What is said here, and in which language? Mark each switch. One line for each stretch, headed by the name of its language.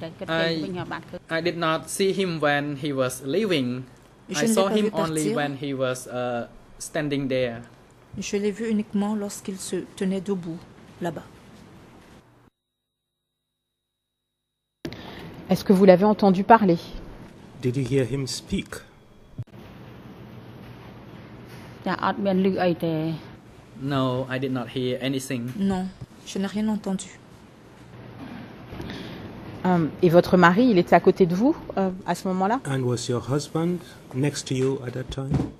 English: I did not see him when he was leaving.
French: Je
English: I saw him
French: partir.
English: Only when he was standing there.
French: Je l'ai vu uniquement lorsqu'il se tenait debout, là-bas. Est-ce que vous l'avez entendu parler?
English: Did you hear him speak? No, I did not hear anything.
French: Non, je n'ai rien entendu. Et votre mari, il était à côté de vous à ce moment-là?
English: And was your husband next to you at that time?